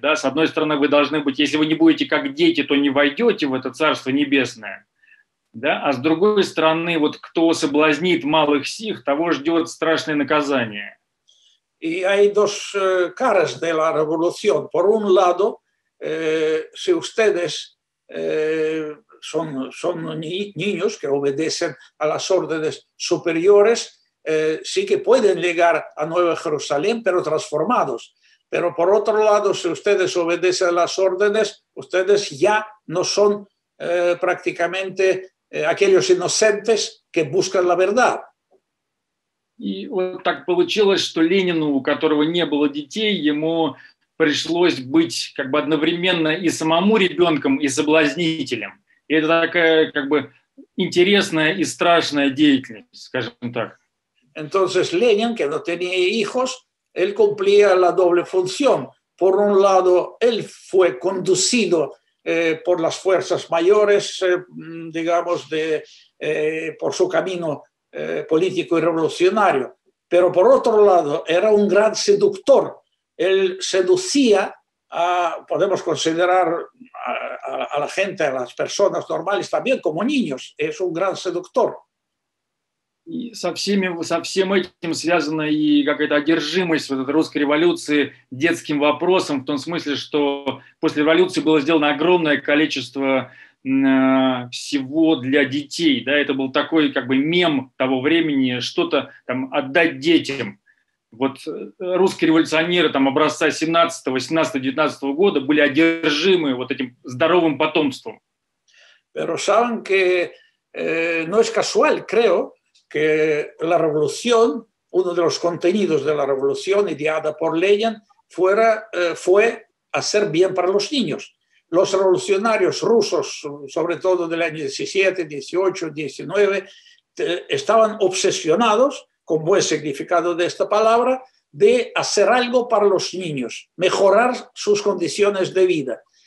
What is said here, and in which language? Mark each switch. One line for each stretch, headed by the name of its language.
Russian: Да? С одной стороны, вы должны быть, если вы не будете как дети, то не войдете в это Царство Небесное. Да? А с другой стороны, вот кто соблазнит малых сих, того ждет страшное наказание.
Spanish: И hay dos caras de la revolución. Por un lado, si ustedes son niños que obedecen a las órdenes superiores, sí que pueden llegar a Nueva Jerusalén, pero transformados. Pero por otro lado, si ustedes obedecen a las órdenes, ustedes ya no son prácticamente aquellos inocentes que buscan la verdad.
Russian: Y вот так получилось, что Ленину, у которого не было детей, ему пришлось быть как бы одновременно и самому ребенком, и соблазнителем. И это такая как бы интересная и страшная деятельность, скажем так.
Spanish: Entonces Lenin, que no tenía hijos, él cumplía la doble función. Por un lado, él fue conducido por las fuerzas mayores, digamos, por su camino político y revolucionario. Pero por otro lado, era un gran seductor. Él seducía, podemos considerar a la gente, a las personas normales también, como niños. Es un gran seductor.
Russian: И со всем этим связана и какая-то одержимость вот этой русской революции детским вопросом, в том смысле, что после революции было сделано огромное количество всего для детей. Да? Это был такой как бы мем того времени, что-то там отдать детям. Вот русские революционеры там, образца 17-го, 18-го, 19-го года были одержимы вот этим здоровым потомством.
Spanish: Pero saben que no es casual, creo, que la revolución, uno de los contenidos de la revolución ideada por Lenin, fue hacer bien para los niños. Los revolucionarios rusos, sobre todo del año 17, 18, 19, estaban obsesionados, con buen significado de esta palabra, de hacer algo para los niños, mejorar sus condiciones de vida.